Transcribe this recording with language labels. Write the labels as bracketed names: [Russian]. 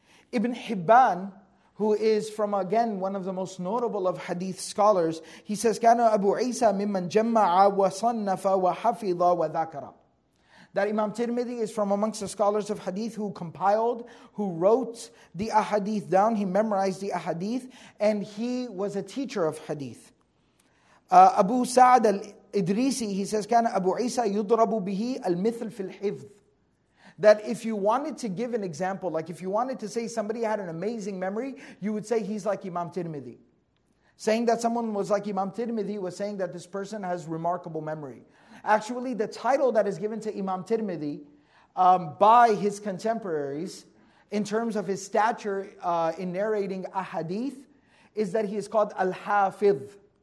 [English] Ibn Hibban, who is from, again, one of the most notable of hadith scholars, he says, [Arabic] كَانَ أَبُو عِيسَى مِمَّنْ جَمَّعَ وَصَنَّفَ وَحَفِظَ وَذَكَرَ. [English] That Imam Tirmidhi is from amongst the scholars of hadith who compiled, who wrote the ahadith down, he memorized the ahadith, and he was a teacher of hadith. Abu Sa'd al Idrisi, he says, [Arabic] كان أبو عيسى يضرب به المثل في الحفظ. [English] That if you wanted to give an example, like if you wanted to say somebody had an amazing memory, you would say he's like Imam Tirmidhi. Saying that someone was like Imam Tirmidhi was saying that this person has remarkable memory. Actually, the title that is given to Imam Tirmidhi by his contemporaries in terms of his stature in narrating a hadith is that he is called Al-Hafidh.